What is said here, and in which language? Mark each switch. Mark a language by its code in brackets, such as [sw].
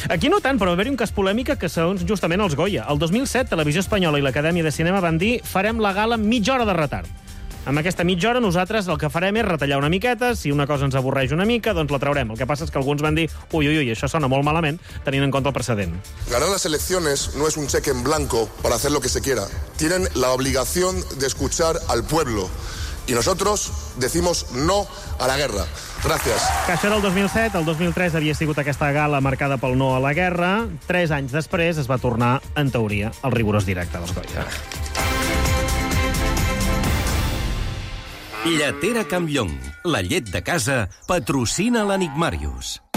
[ca] Aquí no tant, però va haver-hi un cas polèmica que segons justament els Goya. El 2007, Televisió Espanyola i l'Acadèmia de Cinema van dir farem la gala mitja hora de retard. Amb aquesta mitja hora nosaltres el que farem és retallar una miqueta, si una cosa ens avorreix una mica, doncs la traurem. El que passa és que alguns van dir, ui, ui, ui, això sona molt malament, tenint en compte el precedent. [es] Ganar las elecciones no es un cheque en blanco para hacer lo que se quiera. Tienen la obligación de escuchar al pueblo. Y nosotros decimos no a la guerra. Gracias. [ca] Que això era el 2007. El 2003 havia sigut aquesta gala marcada pel no a la guerra. Tres anys després es va tornar, en teoria, el rigorós directe dels Goya. Lletera Campllong, la llet de casa, patrocina l'Enigmàrius.